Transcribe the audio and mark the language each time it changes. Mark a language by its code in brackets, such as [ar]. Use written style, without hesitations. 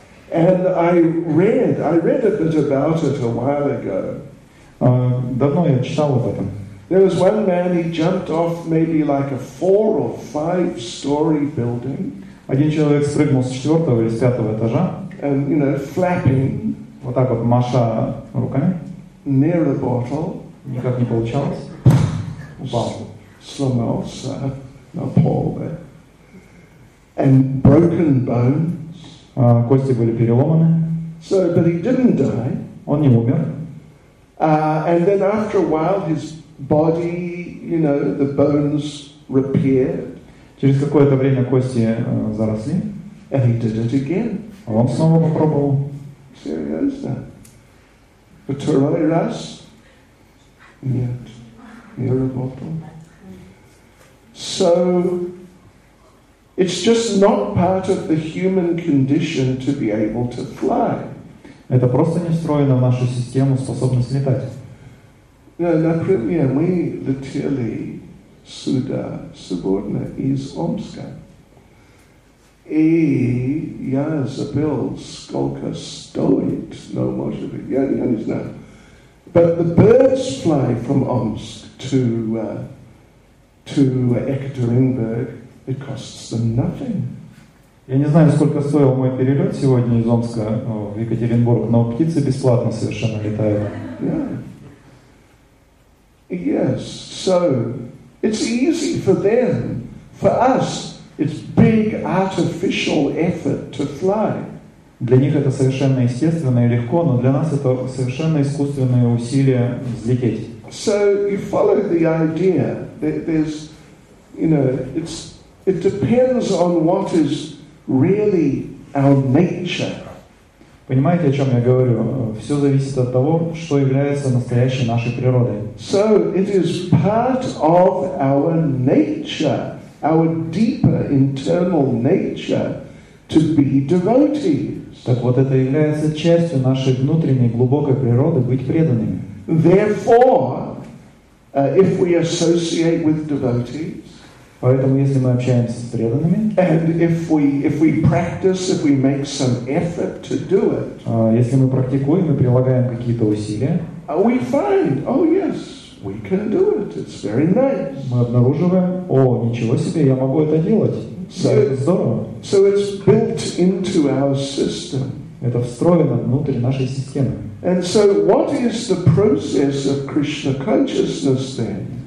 [en] And I read a bit about it a while ago. [ru] Давно я читал об этом. [en] There was one man, he jumped off maybe like a 4 or 5 story building. [ru] Один человек спрыгнул с 4-го или 5-го этажа. [en] And you know, flapping. [ru] Вот так вот, маша руками. [en] Near the bottle. [ru] Никак не получалось. Упал. Сломался на пол, да? [en] And broken bones. [ru] Кости были переломаны. [en] So, but he didn't die. [ru] Он не умер. [en] And then after a while his body, you know, the bones repaired. [ru] Через какое-то время кости заросли. [en] And he did it again. [ru] Он снова попробовал. Серьезно? Второй раз? Нет. Не работал. [en] So, it's just not part of the human condition to be able to fly. [ru] Это просто не встроено в нашу систему способность летать. No, например, мы летели сюда, сегодня, из Омска. И я забыл, сколько стоит, но может быть, я не знаю. [en] But the birds fly from Omsk to Ekaterinburg, it costs them nothing. [ru] Я не знаю, сколько стоил мой перелет сегодня из Омска в Екатеринбург, но птицы бесплатно совершенно летают. [en] Yeah. Yes, so it's easy for them. For us, it's big artificial effort to fly. [ru] Для них это совершенно естественно и легко, но для нас это совершенно искусственное усилие взлететь. [en] So you follow the idea that there's, you know, it depends on what is really our nature. [ru] Понимаете, о чем я говорю? Все зависит от того, что является настоящей нашей природой. [en] So it is part of our nature, our deeper internal nature, to be devotees. [ru] Так вот, это является частью нашей внутренней глубокой природы быть преданными. [en] Therefore, if we associate with devotees, [ru] поэтому, если мы общаемся с преданными, [en] and if we practice, if we make some effort to do it, [ru] если мы практикуем и прилагаем какие-то усилия, [en] we find, oh yes, we can do it. It's very nice. [ru] Мы обнаруживаем, о, ничего себе, я могу это делать. So, это здорово. [en] So it's built into our system. [ru] Это встроено внутрь нашей системы. [en] And so, what is the process of Krishna consciousness then?